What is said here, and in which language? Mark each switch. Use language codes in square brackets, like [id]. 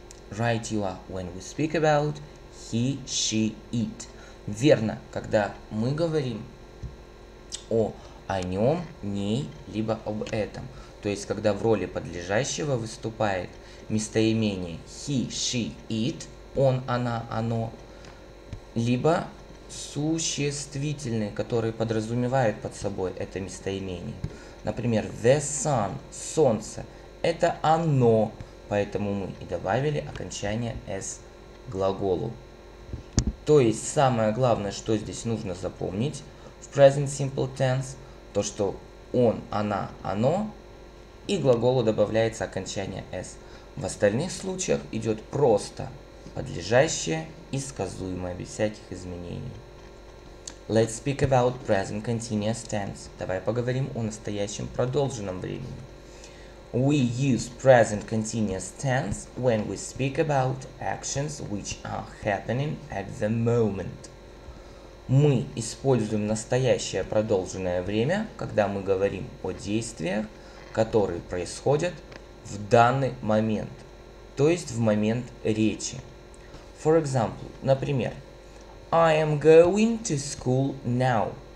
[en] Right you are when we speak about he, she, it. [ru] Верно, когда мы говорим о о нем, ней, либо об этом. То есть, когда в роли подлежащего выступает местоимение [en] he, she, it, [ru] он, она, оно, либо существительные, которые подразумевают под собой это местоимение. Например, [en] the sun, [ru] солнце, это оно, поэтому мы и добавили окончание s к глаголу. То есть, самое главное, что здесь нужно запомнить в [en] present simple tense, [ru] то, что он, она, оно, и глаголу добавляется окончание s. В остальных случаях идет просто подлежащее и сказуемое, без всяких изменений. [en] Let's speak about present continuous tense. [ru] Давай поговорим о настоящем продолженном времени. [en] We use present continuous tense when we speak about actions which are happening at the moment. [ru] Мы используем настоящее продолженное время, когда мы говорим о действиях, которые происходят в данный момент, то есть в момент речи. [en] For example, [ru] например, [en] I am going to school now.